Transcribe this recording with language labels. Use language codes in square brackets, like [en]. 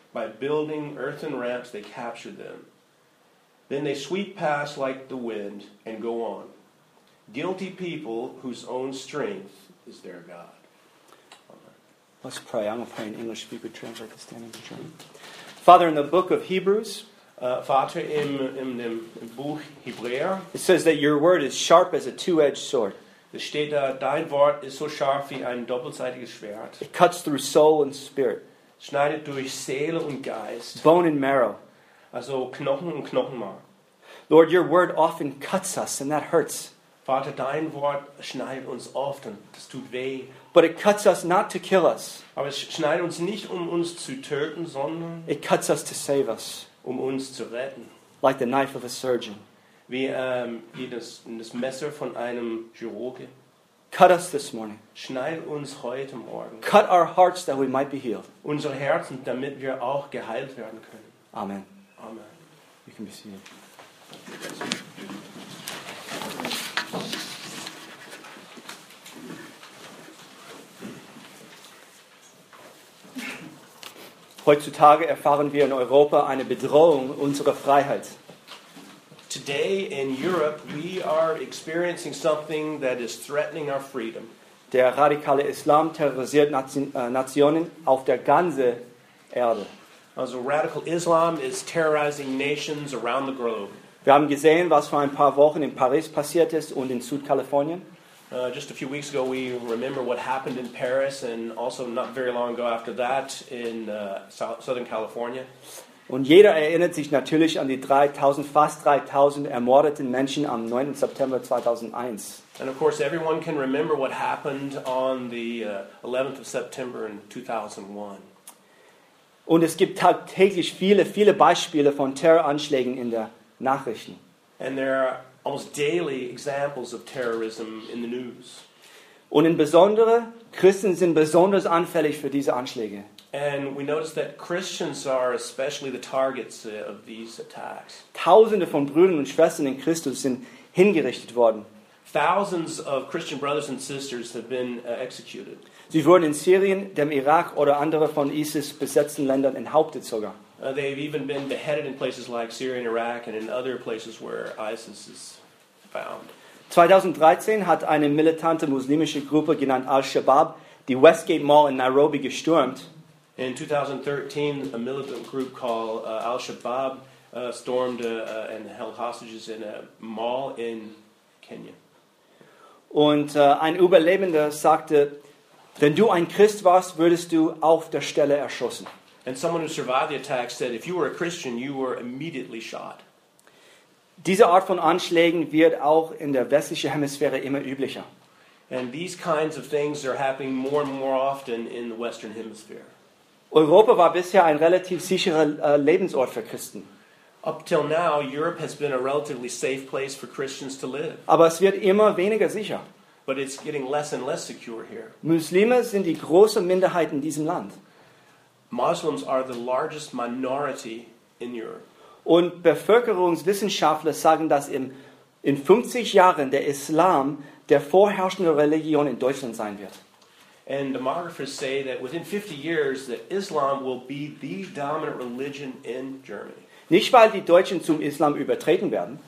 [en] By building earthen ramps, they capture them. Then they sweep past like the wind and go on. Guilty people whose own strength is their God. Let's pray. I'm going to pray in English if you could translate this down into German. Father, in the book of Hebrews, [de] Vater im dem Buch Hebräer, [en] it says that your word is sharp as a two-edged sword. [de] Es steht da, dein Wort ist so scharf wie ein doppelseitiges Schwert. [en] It cuts through soul and spirit. [de] Schneidet durch Seele und Geist. [en] Bone and marrow. [de] Also Knochen und Knochenmark. [en] Lord, your word often cuts us and that hurts. [de] Vater, dein Wort schneidet uns often. Das tut weh. [en] But it cuts us not to kill us. [de] Aber es schneidet uns nicht, um uns zu töten, sondern [en] it cuts us to save us. [de] Um uns zu retten. [en] Like the knife of a surgeon. [de] Wie das Messer von einem Chirurgen. [en] Cut us this morning. [de] Schneid uns heute Morgen. [en] Cut our hearts that we might be healed. [de] Unsere Herzen, damit wir auch geheilt werden können. Amen. Amen. [en] You can be seated. [de] Heutzutage erfahren wir in Europa eine Bedrohung unserer Freiheit. [en] Today in Europe, we are experiencing something that is threatening our freedom. [de] Der radikale Islam terrorisiert Nationen auf der ganzen Erde. [en] Also radical Islam is terrorizing nations around the globe. [de] Wir haben gesehen, was vor ein paar Wochen in Paris passiert ist und in Südkalifornien. [en] Just a few weeks ago, we remember what happened in Paris and also not very long ago after that in Southern California. [de] Und jeder erinnert sich natürlich an die fast 3000 ermordeten Menschen am 9. September 2001. [en] And of course everyone can remember what happened on the 11th of September in 2001. [de] Und es gibt tagtäglich viele, viele Beispiele von Terroranschlägen in der Nachrichten. [en] And there are almost daily examples of terrorism in the news. [de] Und in besondere, Christen sind besonders anfällig für diese Anschläge. [en] And we notice that Christians are especially the targets of these attacks. [de] Tausende von Brüdern und Schwestern in Christus sind hingerichtet worden. [en] Thousands of Christian brothers and sisters have been executed. [de] Sie wurden in Syrien, dem Irak oder andere von ISIS besetzten Ländern enthauptet sogar. [en] They've even been beheaded in places like Syria and Iraq and in other places where ISIS is found. [de] 2013 hat eine militante muslimische Gruppe genannt Al-Shabaab die Westgate Mall in Nairobi gestürmt. [en] In 2013, a militant group called Al-Shabaab stormed and held hostages in a mall in Kenya. [de] Und ein Überlebender sagte, wenn du ein Christ warst, würdest du auf der Stelle erschossen. [en] And someone who survived the attack said, if you were a Christian, you were immediately shot. [de] Diese Art von Anschlägen wird auch in der westlichen Hemisphäre immer üblicher. [en] And these kinds of things are happening more and more often in the Western Hemisphere. [de] Europa war bisher ein relativ sicherer Lebensort für Christen. [en] Up till now, Europe has been a relatively safe place for Christians to live. [de] Aber es wird immer weniger sicher. [en] But it's getting less and less secure here. [de] Muslime sind die große Minderheit in diesem Land. [en] Muslims are the largest minority in Europe. [de] Und Bevölkerungswissenschaftler sagen, dass in 50 Jahren der Islam der vorherrschende Religion in Deutschland sein wird. [en] And demographers say that within 50 years that Islam will be the dominant religion in Germany. [de] Nicht weil die Deutschen zum Islam übertreten werden.